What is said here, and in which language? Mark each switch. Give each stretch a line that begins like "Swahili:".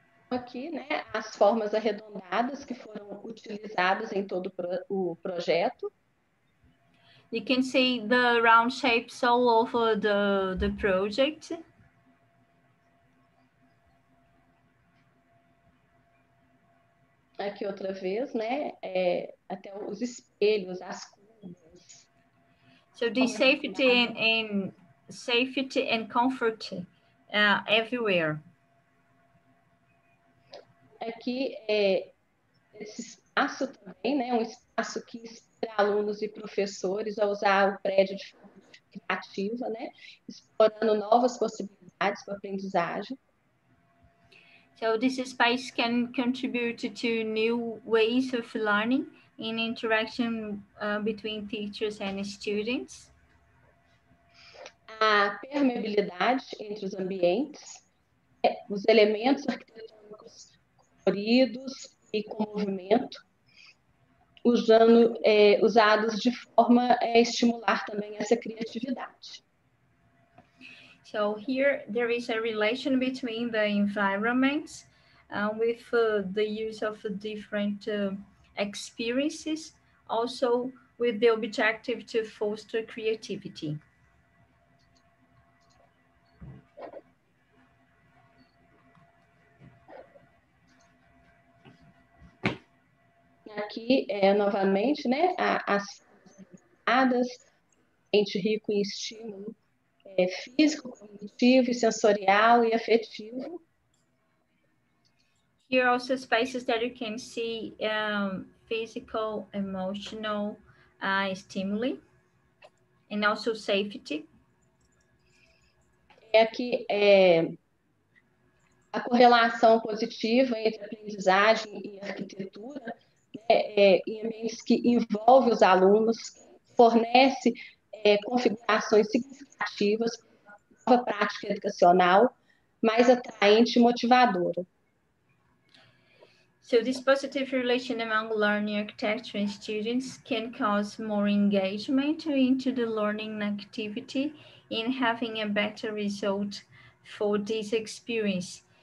Portuguese: Aqui, né, as formas arredondadas que foram utilizadas em todo o projeto.
English: You can see the round shapes all over the project.
Portuguese: Aqui outra vez, né, até os espelhos, as curvas.
English: So the safety and safety and comfort everywhere.
Portuguese: Aqui esse espaço também, né, um espaço que inspira alunos e professores a usar o prédio de forma criativa, né, explorando novas possibilidades para aprendizagem.
English: So this space can contribute to new ways of learning in interaction between teachers and students.
Portuguese: A permeabilidade entre os ambientes, os elementos arquitetônicos coloridos e com movimento, usando, usados de forma a estimular também essa criatividade.
English: So here there is a relation between the environments with the use of different experiences, also with the objective to foster creativity.
Portuguese: aqui, é, novamente, né, as camadas, ente rico em estímulo físico, cognitivo, sensorial e afetivo.
English: Here are also spaces that you can see physical, emotional stimuli, and also safety.
Portuguese: É aqui é, a correlação positiva entre aprendizagem e arquitetura, né, é, em ambientes que envolve os alunos, fornece é, configurações significativas para a nova prática educacional mais atraente e motivadora.
English: So this positive relation among learning architecture and students can cause more engagement into the learning activity in having a better result for this experience.